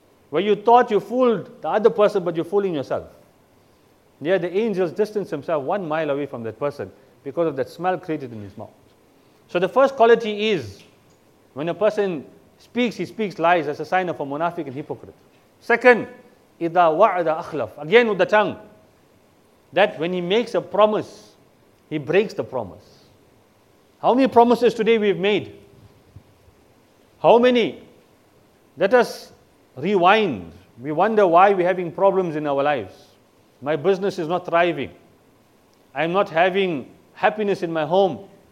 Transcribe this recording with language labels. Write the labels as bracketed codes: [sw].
[en] Where you thought you fooled the other person, but you're fooling yourself. Yeah, the angels distance themselves 1 mile away from that person because of that smell created in his mouth. So the first quality is, when a person speaks, he speaks lies as a sign of a munafiq and hypocrite. [ar] Second, إِذَا وَعَدَ أَخْلَفْ. [en] Again with the tongue. That when he makes a promise, he breaks the promise. How many promises today we've made? How many? Let us rewind. We wonder why we're having problems in our lives. My business is not thriving. I'm not having happiness in my home.